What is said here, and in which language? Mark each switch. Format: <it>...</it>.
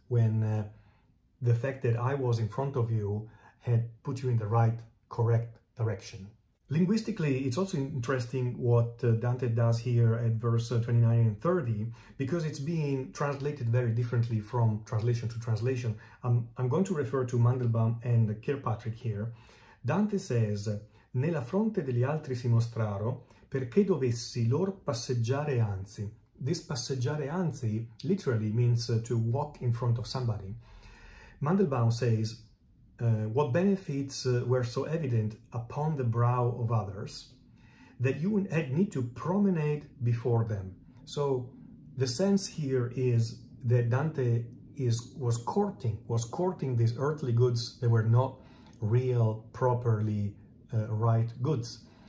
<en>When the fact that I was in front of you had put you in the right, correct direction. Linguistically, it's also interesting what Dante does here at verse 29 and 30, because it's being translated very differently from translation to translation. I'm going to refer to Mandelbaum and Kirkpatrick here. Dante says,</en> <it>"Nella fronte degli altri si mostraro, perché dovessi lor passeggiare anzi."</it> <en>This passeggiare anzi literally means to walk in front of somebody. Mandelbaum says, "What benefits were so evident upon the brow of others that you had need to promenade before them." So the sense here is that Dante was courting these earthly goods that were not real, properly right goods.</en>